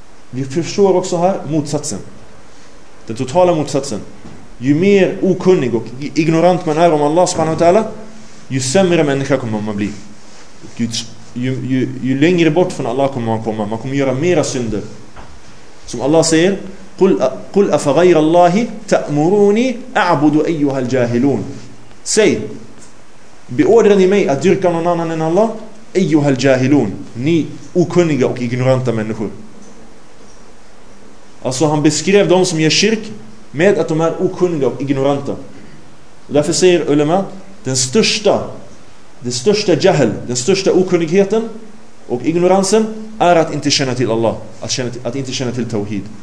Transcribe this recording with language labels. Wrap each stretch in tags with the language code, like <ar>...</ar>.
<sv>Vi förstår också här motsatsen. Den totala motsatsen. Ju mer okunnig och ignorant man är om Allah subhanahu wa ta'ala, ju sämre människa kommer man bli. Ju längre bort från Allah kommer man komma. Man kommer göra mera synder. Som Allah säger,</sv> <ar>قُلْ أَفَغَيْرَ اللَّهِ تَأْمُرُونِي أَعْبُدُ أَيُّهَا الْجَاهِلُونَ.</ar> <sv>Säg, beordrar ni mig att dyrka någon annan än Allah?</sv> <ar>Ayyuhal jahilun,</ar> <sv>ni okunniga och ignoranta människor. Alltså han beskrev dem som gör kyrk med att de är okunniga och ignoranta. Och därför säger ulema, den största jahil, den största okunnigheten och ignoransen är att inte känna till Allah, att inte känna till tawhid.</sv>